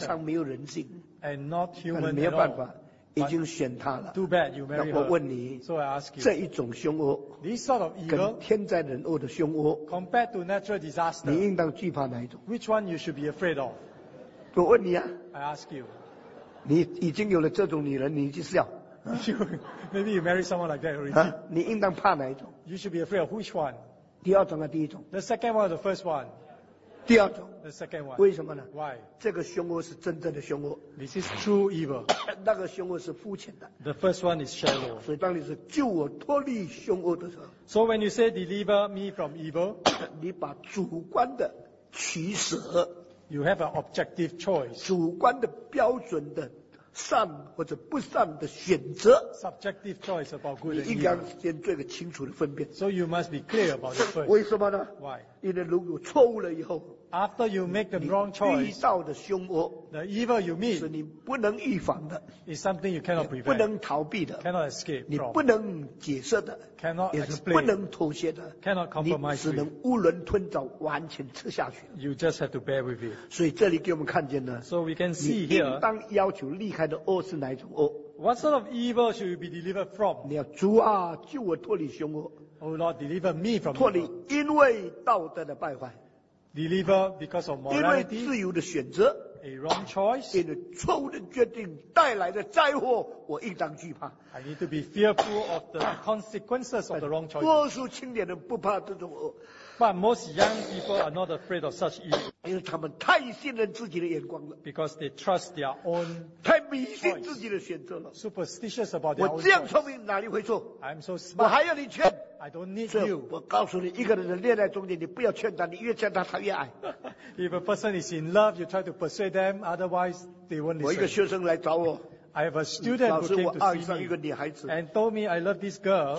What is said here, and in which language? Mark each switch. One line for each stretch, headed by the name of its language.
Chinese: 非常没有人性,
English: and not human
Chinese: 没有办法,
English: at all.
Chinese: 已经选他了,
English: too bad you marry her.
Chinese: 我问你,
English: so I ask you,
Chinese: 这一种凶恶,
English: this sort of evil,
Chinese: 跟天灾人恶的凶恶,
English: compared to natural disaster,
Chinese: 你应当惧怕哪一种?
English: Which one you should be afraid of?
Chinese: 我问你啊,
English: I ask you,
Chinese: 你已经有了这种女人, 你就是要,
English: maybe you marry someone like that already.
Chinese: 你应当怕哪一种?
English: You should be afraid of which one?
Chinese: 第二种啊第一种?
English: The second one or the first one?
Chinese: 第二种?
English: The second one.
Chinese: 为什么呢?
English: Why?
Chinese: 这个凶恶是真正的凶恶,
English: this is true evil.
Chinese: 那个凶恶是肤浅的,
English: the first one is shallow.
Chinese: 所以当你是救我脱离凶恶的时候,
English: so when you say deliver me from evil,
Chinese: 你把主观的取舍,
English: you have an objective choice.
Chinese: 主观的标准的 善或者不善的选择,
English: subjective choice about good and evil.
Chinese: 你应该先做一个清楚的分辨,
English: so you must be clear about it first.
Chinese: 为什么呢?
English: Why?
Chinese: 因为如果错误了以后,
English: after you make the wrong choice,
Chinese: 遇到的凶恶,
English: the evil you meet,
Chinese: 是你不能预防的,
English: is something you cannot prevent,
Chinese: 不能逃避的,
English: cannot escape from,
Chinese: 你不能解释的,
English: cannot explain,
Chinese: 也是不能妥协的,
English: cannot compromise,
Chinese: 你只能无伦吞枣, 完全吃下去,
English: you just have to bear with it.
Chinese: 所以这里给我们看见呢,
English: so we can see here,
Chinese: 你应当要求离开的恶是哪一种恶?
English: What sort of evil should you be delivered from?
Chinese: 你要主啊, 救我脱离凶恶,
English: oh Lord, deliver me from
Chinese: 脱离,
English: evil.
Chinese: 脱离因为道德的败坏,
English: deliver because of morality,
Chinese: 因为自由的选择,
English: a wrong choice,
Chinese: 因为错误的决定带来的灾祸, 我应当惧怕,
English: I need to be fearful of the consequences of the wrong choice.
Chinese: 多数青年人不怕这种恶,
English: but most young people are not afraid of such evil,
Chinese: 因为他们太信任自己的眼光了,
English: because they trust their own choice,
Chinese: 太迷信自己的选择了,
English: superstitious about their own
Chinese: choice. 我这样聪明哪里会错?
English: I'm so smart,
Chinese: 我还要你劝,
English: I don't need you.
Chinese: 我告诉你一个人的恋爱中间你不要劝他你越劝他他越爱,
English: if a person is in love you try to persuade them, otherwise they won't listen.
Chinese: 我一个学生来找我,
English: I have a student who came to see me and told me I love this girl.